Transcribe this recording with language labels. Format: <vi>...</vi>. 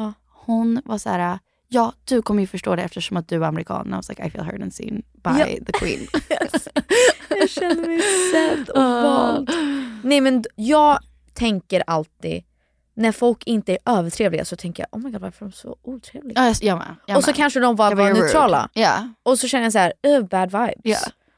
<sv>Hon var så här, ja, du kommer ju förstå det eftersom att du är amerikan.</sv> <en>And I was like, I feel heard and seen by the queen. Yes.</en> <sv>Jag känner mig sett och vald. Nej, men jag tänker alltid, när folk inte är övertrevliga så tänker jag,</sv> <en>oh my god,</en> <sv>varför är de så otrevliga? Ja, jag med. Och så kanske de var bara neutrala.</sv> <en>Yeah.</en> <sv>Och så känner jag så här,</sv> <en>oh, bad vibes. Yeah.</en>